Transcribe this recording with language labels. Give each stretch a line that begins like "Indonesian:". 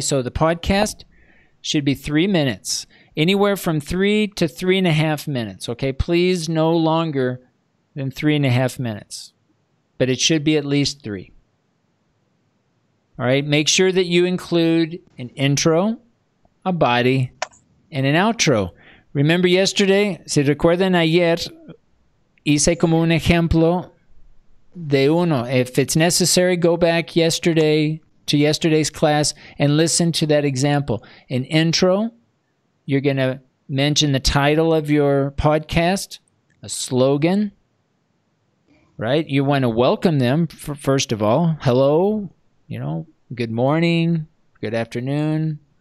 English: So the podcast should be 3 minutes, anywhere from 3 to 3.5 minutes, okay? Please no longer than 3.5 minutes, but it should be at least three. All right, make sure that you include an intro, a body, and an outro. Remember yesterday,
Spanish: si recuerdan ayer, hice como un ejemplo de uno.
English: If it's necessary, go back yesterday to yesterday's class and listen to that example. An intro, you're going to mention the title of your podcast, a slogan, right? You want to welcome them, first of all. Hello, you know, good morning, good afternoon.